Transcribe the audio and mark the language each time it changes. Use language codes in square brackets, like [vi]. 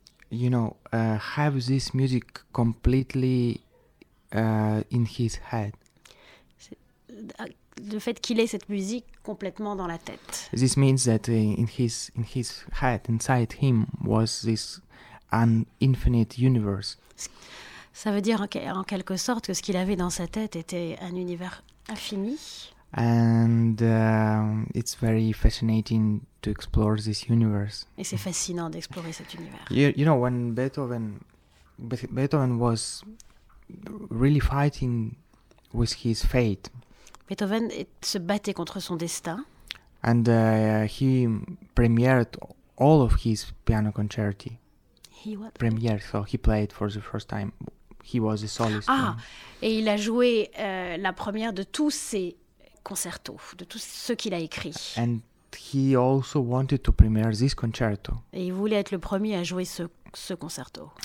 [en] could have this music completely in his head. [fr] Le fait qu'il ait cette musique complètement dans la tête. [en] This means that in his head, inside him, was this an infinite universe. [fr] Ça veut dire en quelque sorte que ce qu'il avait dans sa tête était un univers infini. [en] And it's very fascinating to explore this universe. [fr] Et c'est fascinant d'explorer cet univers. [en] You know, when Beethoven was really fighting with his fate. [fr] Beethoven se battait contre son destin. [en] And he premiered all of his piano concerti. He what? Premiered, so he played for the first time. He was a soloist. [fr] Ah, et il a joué la première de tous ses concertos, de tous ceux qu'il a écrits. [en] And he also wanted to premiere this concerto. [fr] Et il voulait être le premier à jouer ce concerto.